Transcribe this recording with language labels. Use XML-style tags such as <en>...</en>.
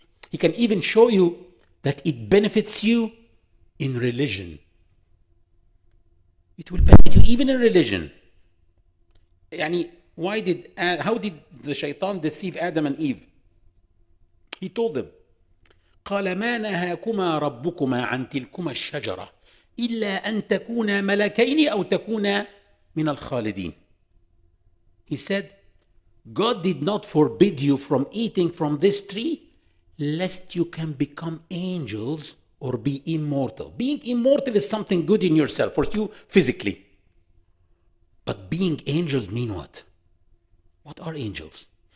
<en>He can even show you that it benefits you in religion. It will benefit you even in religion. Yani, how did the shaitan deceive Adam and Eve? He told them,</en> <ar>قال ما نهاكما ربكما عن تلكما الشجرة إلا أن تكونا ملكين أو تكونا من الخالدين.</ar> <en>He said, God did not forbid you from eating from this tree, lest you can become angels or be immortal. Being immortal is something good in yourself, for you physically. But being angels mean what? What are angels?</en>